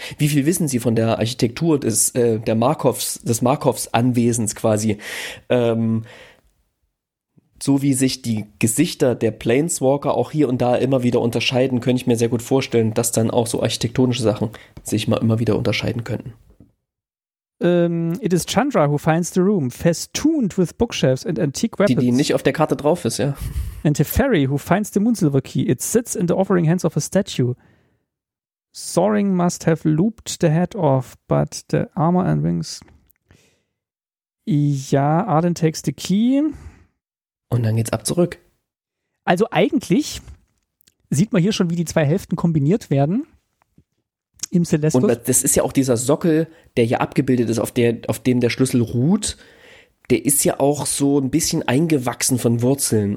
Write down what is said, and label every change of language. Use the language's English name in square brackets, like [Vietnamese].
[German] Wie viel wissen sie von der Architektur des Markovs-Anwesens quasi? So wie sich die Gesichter der Planeswalker auch hier und da immer wieder unterscheiden, könnte ich mir sehr gut vorstellen, dass dann auch so architektonische Sachen sich mal immer wieder unterscheiden könnten. [English] It is Chandra who finds the room, festooned with bookshelves and antique weapons. [German] Die nicht auf der Karte drauf ist, ja. [English] And Teferi who finds the Moonsilver key. It sits in the offering hands of a statue. Soaring must have looped the head off, but the armor and wings. Ja, Arden takes the key. [German] Und dann geht's ab zurück. Also eigentlich sieht man hier schon, wie die zwei Hälften kombiniert werden im Celestus. Und das ist ja auch dieser Sockel, der hier abgebildet ist, auf dem der Schlüssel ruht. Der ist ja auch so ein bisschen eingewachsen von Wurzeln.